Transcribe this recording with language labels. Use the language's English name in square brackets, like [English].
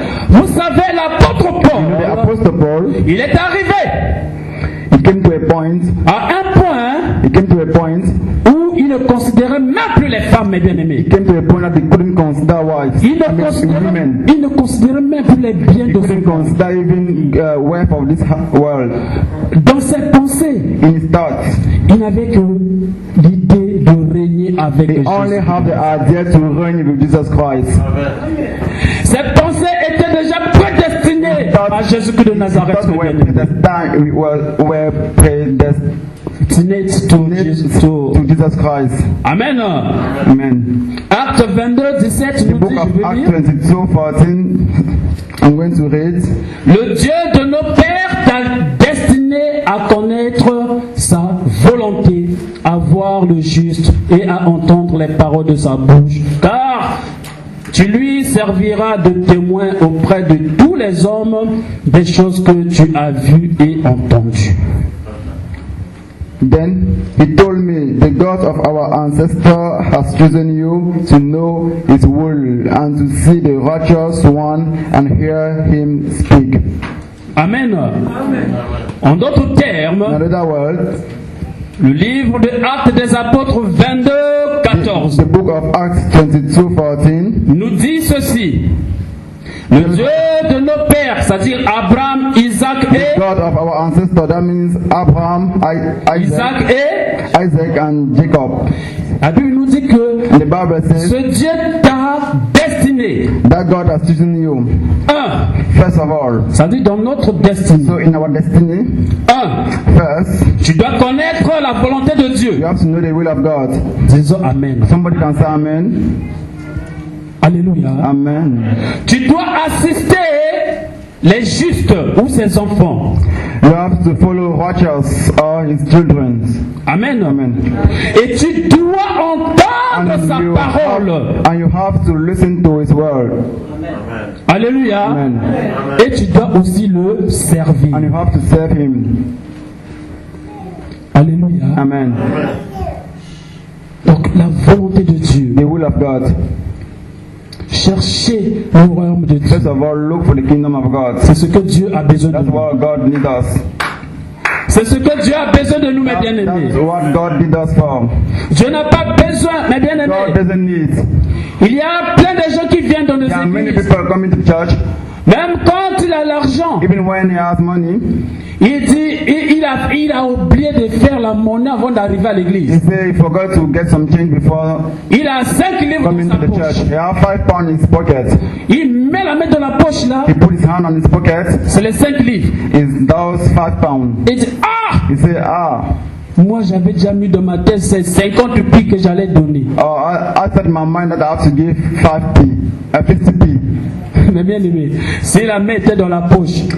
[French] Vous savez, l'apôtre Paul. [English] You know, the apostle Paul. [French] Il est arrivé. [English] He came to a point. [French] À un point. [English] He came to a point. [French] Où il ne considérait même plus les femmes, mes bien-aimés. [English] He came to a point that he couldn't consider wives. [French] Il ne considérait. Il ne considérait même plus les biens de. [English] He couldn't consider even wife of this world. [French] Dans ses pensées. [English] In his thoughts. [French] Il n'avait que l'idée de régner avec [English] Jésus. He only had the idea to reign with Jesus Christ. Amen. [French] Cette pensée était déjà prédestinée à Jésus-Christ de Nazareth. [English] We were predestined to Jesus Christ. Amen. Amen. [French] Acte 22, 17, [English] the book of Acts 22, 14, I'm going to read. [French] Le Dieu de nos pères t'a destiné à connaître sa volonté, à voir le juste et à entendre les paroles de sa bouche. Car tu lui serviras de témoin auprès de tous les hommes des choses que tu as vues et entendues. [English] Then he told me, the God of our ancestor has chosen you to know his will and to see the righteous one and hear him speak. Amen. Amen. [French] En d'autres termes, [English] in other words, [French] le livre de Actes des Apôtres 22:14. [English] The book of Acts 22:14 [French] nous dit ceci. Le Dieu de nos pères, c'est-à-dire Abraham, Isaac et [English] the God of our ancestors, that means Abraham, [French] Isaac et [English] Isaac and Jacob. [French] La Bible nous dit que [English] the Bible says, [French] ce Dieu t'a destiné. [English] That God has chosen you. [French] Un. [English] First of all. [French] C'est-à-dire dans notre destinée. [English] So in our destiny. [French] Un. [English] First. [French] Tu dois connaître la volonté de Dieu. [English] You have to know the will of God. [French] Disons amen. [English] Somebody can say amen. Alléluia. Amen. [French] Tu dois assister les justes ou ses enfants. [English] You have to follow righteous or his children. Amen. Amen. [French] Et tu dois entendre and sa you parole. [English] Have, and you have to listen to his word. Amen. Alléluia. Amen. [French] Et tu dois aussi le servir. [English] And you have to serve him. Alléluia. Amen. [French] Donc la volonté de Dieu. [English] The will of God. [French] Cherchez le royaume de Dieu. [English] First of all, look for the kingdom of God. [French] C'est ce que Dieu a besoin [English] that's [French] de nous. [English] What God need us. [French] C'est ce que Dieu a besoin de nous, mes bien-aimés. [English] That's what God need us for. [French] Dieu n'a pas besoin, mes bien-aimés. [English] God doesn't need. [French] Il y a plein de gens qui viennent dans nos églises. [English] There are many people coming to church. [French] Même quand il a l'argent. [English] Even when he has money. [French] Il dit, il a oublié de faire la monnaie avant d'arriver à l'église. [English] He said he forgot to get some change before. [French] Il a 5 livres dans sa poche. [English] He has 5 pounds in his pocket. [French] Il met la main dans la poche là. [English] He put his hand on his pocket. [French] C'est les 5 livres. [English] Is those 5 pounds? [French] Il dit ah. [English] He said ah. [French] Moi j'avais déjà mis dans ma tête ces 50 pi que j'allais donner. [English] I set my mind that I have to give 5 pi, 50 pi. [French] Mais bien aimé, si la main était dans la poche.